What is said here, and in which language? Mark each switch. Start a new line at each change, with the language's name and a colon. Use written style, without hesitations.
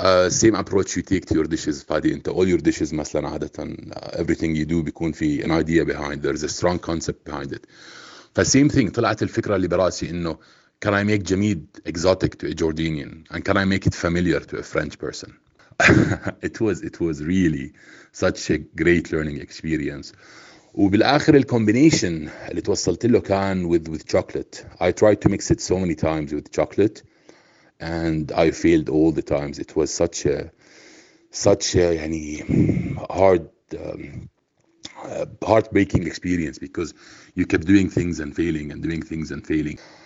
English: Same approach you take to your dishes, فادي انت all your dishes
Arabic: مثلا عادة
English: everything you do
Arabic: بيكون في
English: an idea behind, there's a strong concept behind it. فsame thing
Arabic: طلعت الفكرة اللي براسي انه
English: can I make جميد exotic to a Jordanian and can I make it familiar to a French person. it was really such a great learning experience.
Arabic: وبالآخر الكومبينيشن اللي توصلت له كان
English: with chocolate. I tried to mix it so many times with chocolate and I failed all the times. It was such a يعني hard heartbreaking experience because you kept doing things and failing and doing things and failing.